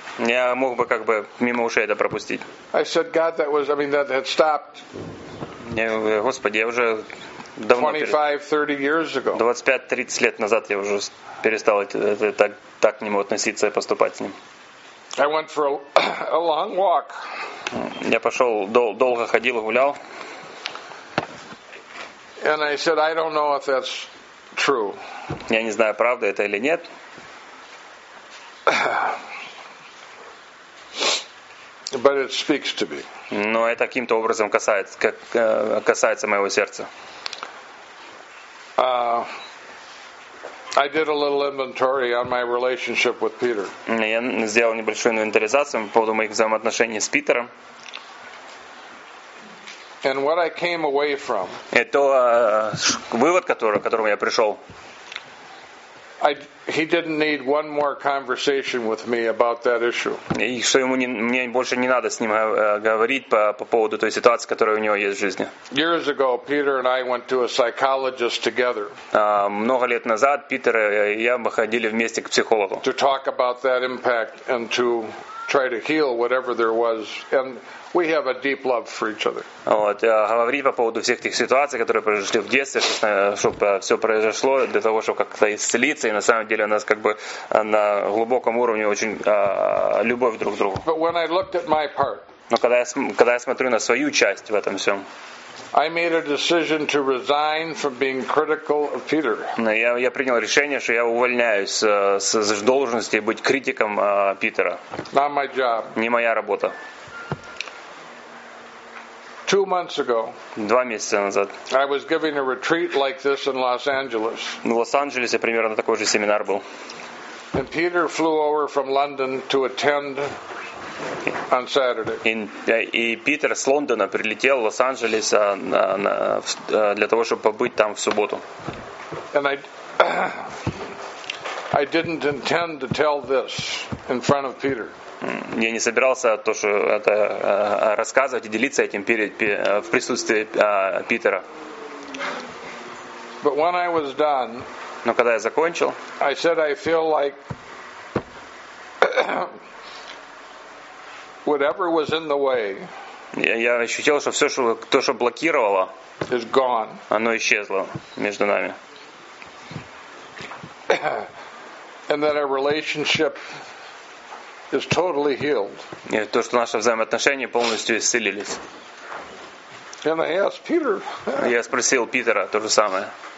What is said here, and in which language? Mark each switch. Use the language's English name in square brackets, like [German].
[Russian] Я мог бы как бы мимо ушей это пропустить. [English] I said, God, that had stopped. [Russian] Не, Господи, я уже давно. [English] 25-30 years ago. [Russian] 25-30 лет назад я уже перестал так к нему относиться и поступать с ним. [English] I went for a long walk. [Russian] Я пошел, долго ходил, гулял. [English] And I said, I don't know if that's true. [Russian] Я не знаю, правда это или нет. [English] But it speaks to me. [Russian] Но это каким-то образом касается моего сердца. [English] I did a little inventory on my relationship with Peter. [Russian] Я сделал небольшую инвентаризацию по поводу моих взаимоотношений с Питером. [English] And what I came away from. [Russian] Это вывод, к которому я пришел. [English] He didn't need one more conversation with me about that issue. [Russian] И что ему мне больше не надо с ним говорить по поводу той ситуации, которая у него есть в жизни. [English] Years ago, Peter and I went to a psychologist together. [Russian] Много лет назад Питер и я мы ходили вместе к психологу. [English] To talk about that impact and to try to heal whatever there was, and we have a deep love for each other. [Russian] Вот, говорить по поводу всех тех ситуаций, которые произошли в детстве, чтобы все произошло для того, чтобы как-то исцелиться, и на самом деле у нас как бы на глубоком уровне очень любовь друг к другу. [English] But when I looked at my part, [Russian] но когда я смотрю на свою часть в этом всем, [English] I made a decision to resign from being critical of Peter. [Russian] Я принял решение, что я увольняюсь с должности быть критиком Питера. [English] Not my job. [Russian] Не моя работа. [English] 2 months ago. [Russian] 2 месяца назад. [English] I was giving a retreat like this in Los Angeles. [Russian] В Лос-Анджелесе примерно такой же семинар был. [English] And Peter flew over from London to attend. On Saturday. [Russian] И Питер с Лондона прилетел в Лос-Анджелес для того, чтобы побыть там в субботу. [English] And I didn't intend to tell this in front of Peter. [Russian] Я не собирался то, что это рассказывать и делиться этим в присутствии Питера. [English] But when I was done, [Russian] но когда я закончил, [English] I said I feel like whatever was in the way. [Russian] Я ощутил, что все, что блокировало, [English] is gone. [Russian] Оно исчезло между нами. [English] And that our relationship is totally healed. [Russian] И то, что наши взаимоотношения полностью исцелились. [English] And I asked Peter. [Russian] Я спросил Питера то же самое.